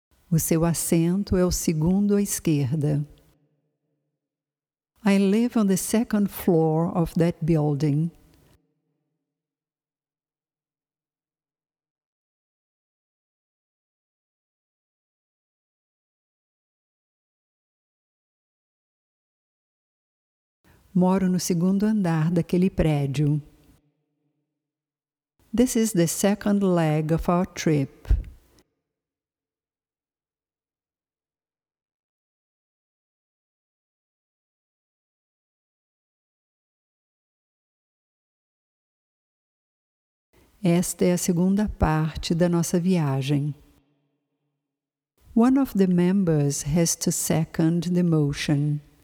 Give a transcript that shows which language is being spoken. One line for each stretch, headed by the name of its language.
Portuguese: O seu assento é o segundo à esquerda.
English: I live on the second floor of that building.
Portuguese: Moro no segundo andar daquele prédio.
English: This is the second leg of our trip.
Portuguese: Esta é a segunda parte da nossa viagem.
English: One of the members has to second the motion.